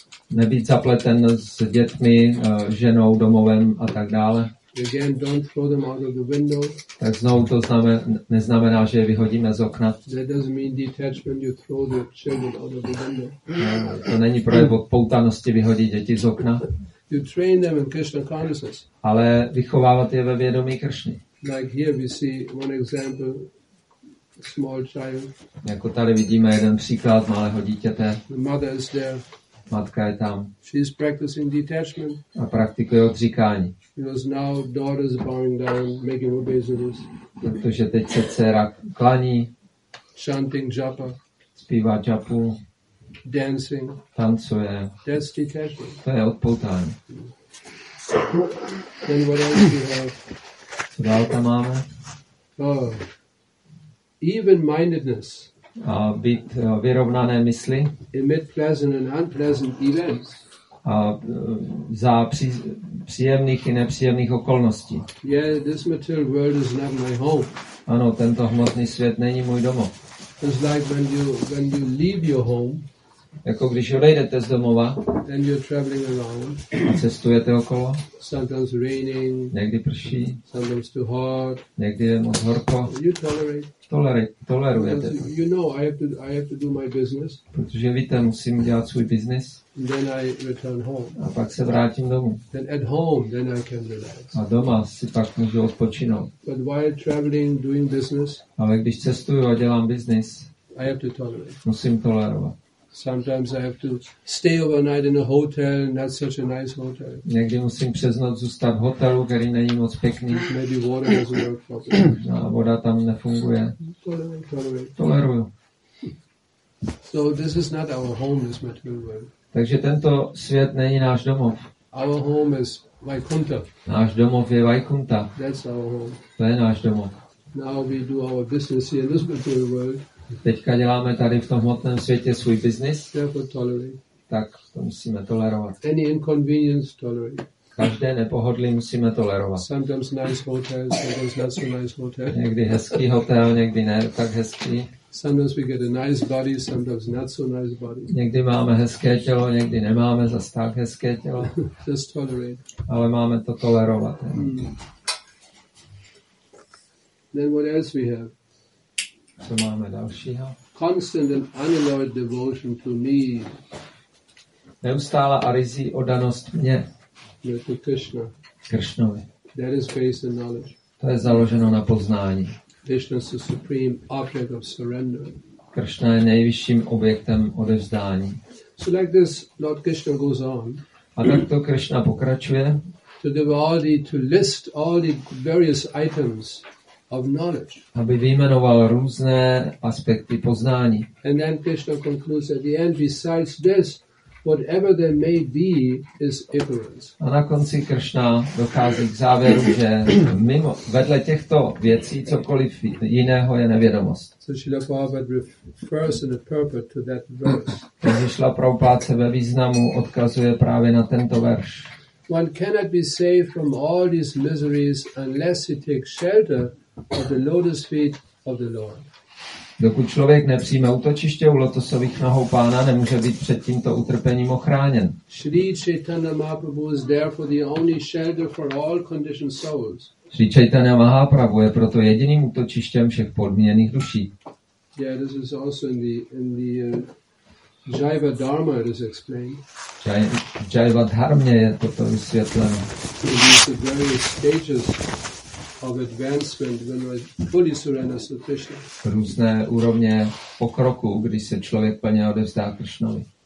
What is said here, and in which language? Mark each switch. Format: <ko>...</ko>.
<cs>Nebýt zapleten s dětmi, ženou, domovem a tak dále.</cs> <en>Again, don't throw them out of the window.</en> <cs>Tak znovu to neznamená, že je vyhodíme z okna.</cs> <en>That doesn't mean detachment, you throw the children out of the window.</en> <cs>No, to není projev poutanosti vyhodit děti z okna.</cs> <en>You train them in Krishna consciousness.</en> <cs>Ale vychovávat je ve vědomí Kršny.</cs> <en>Like here we see one example, small child.</en> <cs>Jako tady vidíme jeden příklad malého dítěte.</cs> <en>The mother is there.</en> <cs>Matka je tam.</cs> <en>She is practicing detachment.</en> <cs>A praktikuje odříkání.</cs> <en>Because now daughter is bowing down, making obeisances.</en> <cs>Protože teď se dcera klaní.</cs> <en>Chanting japa.</en> <cs>Zpívá japu.</cs> <en>Dancing.</en> <cs>Tancuje.</cs> <en>That's detachment.</en> <cs>To je odpoutání.</cs> <en>Then what else do you have?</en> <cs>Co dál tam máme?</cs> <en>Oh. Even-mindedness.</en> <cs>A být vyrovnané mysli.</cs> <en>Emit pleasant and unpleasant events.</en> <cs>A za příjemných i nepříjemných okolností.</cs> <en>Yeah, this material world is not my home.</en> <cs>Ano, tento hmotný svět není můj domov.</cs> <en>It's like when you leave your home.</en> <cs>Jako když odejdete z domova.</cs> <en>Then you're traveling around.</en> <cs>A cestujete okolo.</cs> <en>Sometimes raining.</en> <cs>Někdy prší.</cs> <en>Sometimes too hot.</en> <cs>Někdy je moc horko.</cs> <en>You tolerate.</en> <cs>Tolerujete.</cs> <en>Because you know I have to do my business.</en> <cs>Protože víte, musím dělat svůj business.</cs> <en>Then I return home.</en> <cs>A pak se vrátím domů.</cs> <en>Then at home, then I can relax.</en> <cs>A doma si pak můžu odpočinout.</cs> <en>But while traveling, doing business.</en> <cs>Ale když cestuju a dělám business.</cs> <en>I have to tolerate.</en> <cs>Musím tolerovat.</cs> <en>Sometimes I have to stay overnight in a hotel, not such a nice hotel.</en> <cs>Někdy musím přes noc zůstat v hotelu, který není moc pěkný.</cs> <en>Maybe water doesn't work properly.</en> <cs>No, voda tam nefunguje. Toleruju.</cs> <en>So this is not our home, this material world.</en> <cs>Takže tento svět není náš domov.</cs> <en>Our home is Vaikuntha.</en> <cs>Náš domov je Vaikuntha.</cs> <en>That's our home.</en> <cs>To je náš domov.</cs> <en>Now we do our business here in this material world.</en> <cs>Teďka děláme tady v tom hmotném světě svůj biznis, tak to musíme tolerovat.</cs> <en>Any inconvenience, tolerate.</en> <cs>Každé nepohodlí musíme tolerovat.</cs> <en>Sometimes nice hotel, sometimes not so nice hotel.</en> <cs>Někdy hezký hotel, někdy ne tak hezký.</cs> <en>Sometimes we get a nice body, sometimes not so nice body.</en> <cs>Někdy máme hezké tělo, někdy nemáme zas tak hezké tělo.</cs> <en>Just tolerate.</en> <cs>Ale máme to tolerovat. Hmm.</cs> <en>Then what else we have?</en> <cs>Co máme dalšího?</cs> <en>Constant and unalloyed devotion to me.</en> <cs>Neustála arizí oddanost mně.</cs> <en>To Krishna.</en> <cs>Krishnovi.</cs> <en>That is based on knowledge.</en> <cs>To je založeno na poznání.</cs> <en>Krishna is the supreme object of surrender.</en> <cs>Krishna je nejvyšším objektem odevzdání.</cs> <en>So like this, Lord Krishna goes on.</en> <cs>A tak to Krishna pokračuje.</cs> <en>To devotee to list all the various items. Of knowledge.</en> <cs>Aby vyjmenoval různé aspekty poznání.</cs> <en>And then Krishna concludes at the end, besides this, whatever there may be is ignorance.</en> <cs>A na konci Krishna dochází k závěru, že mimo vedle těchto věcí cokoliv jiného je nevědomost.</cs> <en>So Srila Prabhupada refers in a purport to that verse.</en> <cs>Srila Prabhupada se ve významu odkazuje právě na tento verš.</cs> <en>One cannot be saved from all these miseries unless he takes shelter of the lotus feet of the Lord.</en> <cs>Dokud člověk nepřijme útočiště u lotosových nohou pána, nemůže být před tímto utrpením ochráněn.</cs> <en>Sri Chaitanya Mahaprabhu is therefore the only shelter for all conditioned souls.</en> <cs>Sri Chaitanya Mahaprabhu je proto jediným útočištěm všech podmíněných duší.</cs> <en>Yeah, this is also in the Jaiva Dharma is explained.</en> <cs>Jaiva Dharma je toto vysvětleno.</cs> <en>It is the various stages of advancement when a Bodhisurana Sutrishna.</en> <cs>Různé úrovně pokroku, když se člověk plně odevzdá Kršnovi.</cs>